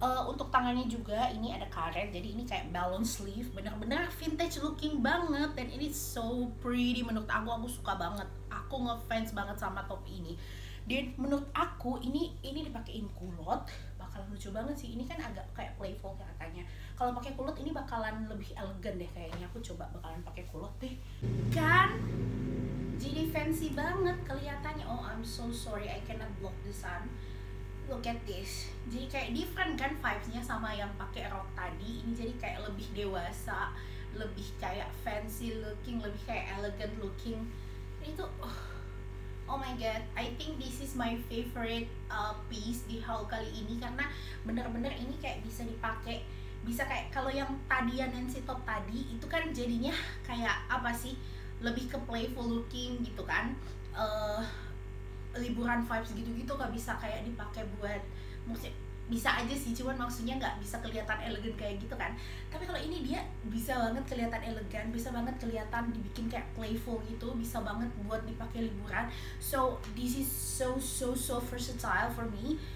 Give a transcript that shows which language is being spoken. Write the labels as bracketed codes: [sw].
[id] Untuk tangannya juga ini ada karet, jadi ini kayak balloon sleeve, benar-benar [en] vintage looking [id] banget dan ini [en] so pretty [id] menurut aku suka banget, aku ngefans banget sama top ini. Dan menurut aku ini dipakein culotte bakalan lucu banget sih. Ini kan agak kayak playful katanya. Kalau pakai culotte ini bakalan lebih elegan deh kayaknya. Aku coba bakalan pakai culotte deh. Kan jadi fancy banget kelihatannya. [en] Oh, I'm so sorry I cannot block the sun. Look at this. [id] Jadi kayak different kan vibes-nya sama yang pakai rok tadi. Ini jadi kayak lebih dewasa, lebih kayak fancy looking, lebih kayak elegant looking. Itu [en] oh my god, I think this is my favorite piece [id] di haul kali ini karena benar-benar ini kayak bisa dipakai, bisa kayak kalau yang tadi ya Nancy top tadi itu kan jadinya kayak apa sih, lebih ke playful looking gitu kan, liburan vibes gitu-gitu, gak bisa kayak dipakai buat musik, bisa aja sih cuman maksudnya gak bisa kelihatan elegan kayak gitu kan. Tapi kalau ini dia bisa banget kelihatan elegan, bisa banget kelihatan dibikin kayak playful gitu, bisa banget buat dipakai liburan. [en] So this is so so so versatile for me.